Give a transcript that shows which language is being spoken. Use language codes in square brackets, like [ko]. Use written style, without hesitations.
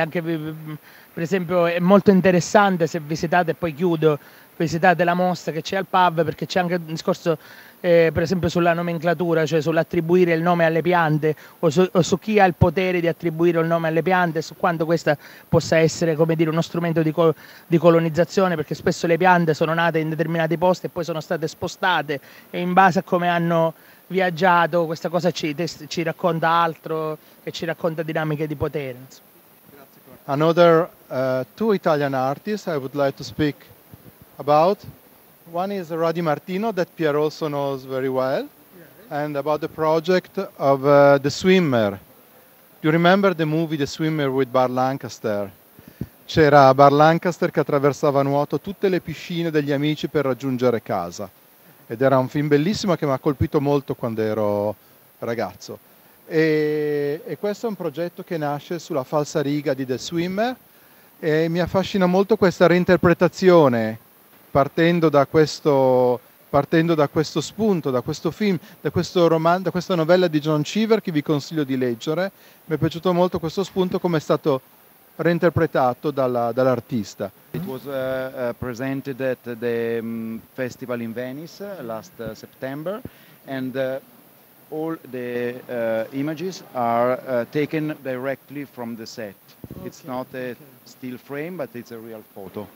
[it] Anche per esempio è molto interessante se visitate, poi chiudo, visitate la mostra che c'è al PAV, perché c'è anche un discorso per esempio sulla nomenclatura, cioè sull'attribuire il nome alle piante o su chi ha il potere di attribuire il nome alle piante, su quanto questa possa essere, come dire, uno strumento di colonizzazione, perché spesso le piante sono nate in determinati posti e poi sono state spostate e in base a come hanno viaggiato, questa cosa ci racconta altro e ci racconta dinamiche di potere. [en] Another two Italian artists I would like to speak about. One is Radi Martino, that Pierre also knows very well, and about the project of The Swimmer. Do you remember the movie The Swimmer with Bar Lancaster? [it] C'era Bar Lancaster che attraversava a nuoto tutte le piscine degli amici per raggiungere casa. Ed era un film bellissimo che mi ha colpito molto quando ero ragazzo. E questo è un progetto che nasce sulla falsa riga di The Swimmer e mi affascina molto questa reinterpretazione partendo da questo spunto, da questo film, da questo romanzo, da questa novella di John Cheever che vi consiglio di leggere. Mi è piaciuto molto questo spunto come è stato reinterpretato dall'artista. [en] It was presented at the festival in Venice last September, and all the images are taken directly from the set. Okay. It's not a still frame, but it's a real photo.